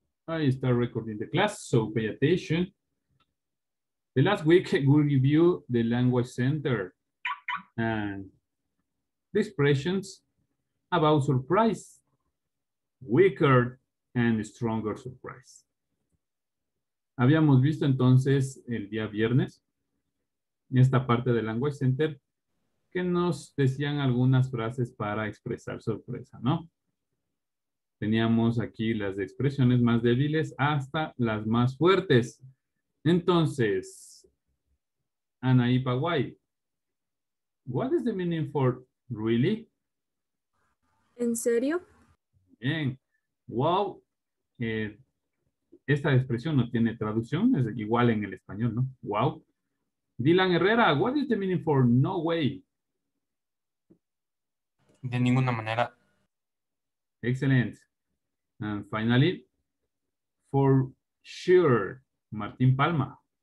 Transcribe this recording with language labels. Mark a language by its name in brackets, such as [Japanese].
[English] I start recording the class, so pay attention. The last week we reviewed the language center and the expressions about surprise, weaker and stronger surprise. [Spanish] Habíamos visto entonces el día viernes esta parte del language center que nos decían algunas frases para expresar sorpresa, ¿no? Teníamos aquí las expresiones más débiles hasta las más fuertes. Entonces, [English] Anaí Paguay, what is the meaning for really? [Spanish] ¿En serio? Bien. Wow. Esta expresión no tiene traducción, es igual en el español, ¿no? [English] Wow. Dylan Herrera, what is the meaning for no way? [Spanish] De ninguna manera. Excelente. [English] And finally, for sure, Martín Palma.